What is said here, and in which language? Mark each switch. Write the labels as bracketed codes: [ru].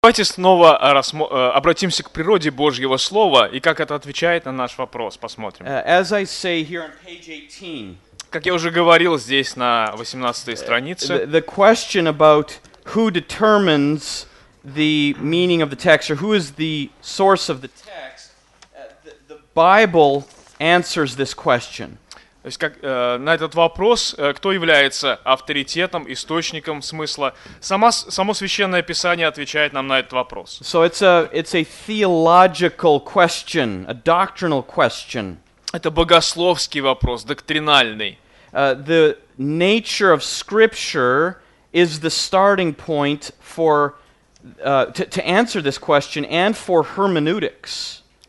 [ru] Давайте снова обратимся к природе Божьего Слова и как это отвечает на наш вопрос. Посмотрим. [en] As I say here on page 18, [ru] как я уже говорил здесь на 18-й странице, [en] the question about who determines the meaning of the text or who is the source of the text, the Bible answers this question. [ru] То есть как, на этот вопрос, кто является авторитетом, источником смысла, само Священное Писание отвечает нам на этот вопрос. [en] So it's a theological question, a doctrinal question. [ru] Это богословский вопрос, доктринальный. [en] The nature of Scripture is the starting point for to answer this question and for hermeneutics.